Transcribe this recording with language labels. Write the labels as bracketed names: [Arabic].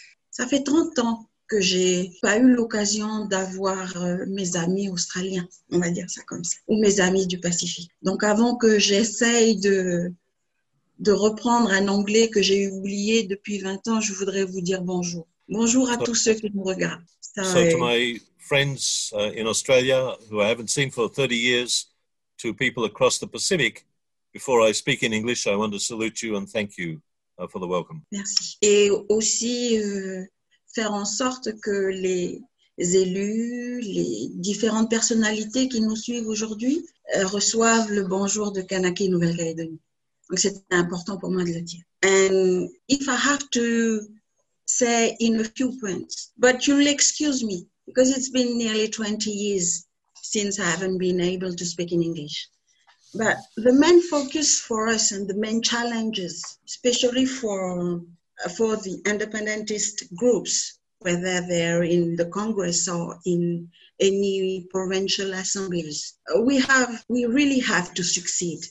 [French] ça fait 30 ans que je n'ai pas eu l'occasion d'avoir mes amis australiens, on va dire ça comme ça, ou mes amis du Pacifique. Donc avant que j'essaye de reprendre un anglais que j'ai oublié depuis 20 ans, je voudrais vous dire bonjour. Bonjour à tous ceux qui nous regardent. [English] To my friends in Australia, who I haven't seen for 30 years, to people across the Pacific, before I speak in English, I want to salute you and thank you for the welcome. [French] Merci. Et aussi faire en sorte que les élus, les différentes personnalités qui nous suivent aujourd'hui reçoivent le bonjour de Kanaky Nouvelle-Calédonie. Donc c'est important pour moi de le dire. [English] And if I have to say in a few points, but you'll excuse me because it's been nearly 20 years since I haven't been able to speak in English. But the main focus for us and the main challenges, especially for the independentist groups, whether they're in the Congress or in any provincial assemblies, we really have to succeed.